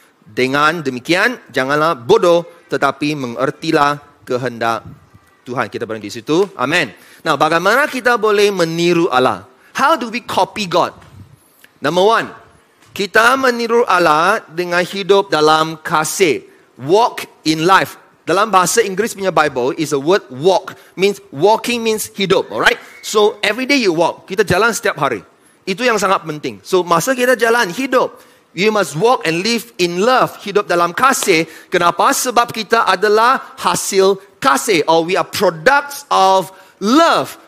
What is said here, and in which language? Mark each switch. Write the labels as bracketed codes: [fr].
[ms] Dengan demikian, janganlah bodoh, tetapi mengertilah kehendak Tuhan. Kita berhenti di situ. Amin. Nah, bagaimana kita boleh meniru Allah? [en] How do we copy God? [ms] Number one, kita meniru Allah dengan hidup dalam kasih. [en] Walk in life. [ms] Dalam bahasa Inggris punya Bible, [en] is a word walk. Means walking means hidup, alright? So, every day you walk. [ms] Kita jalan setiap hari. Itu yang sangat penting. So, masa kita jalan, hidup. [en] You must walk and live in love. [ms] Hidup dalam kasih. Kenapa? Sebab kita adalah hasil kasih. [en] Or we are products of love.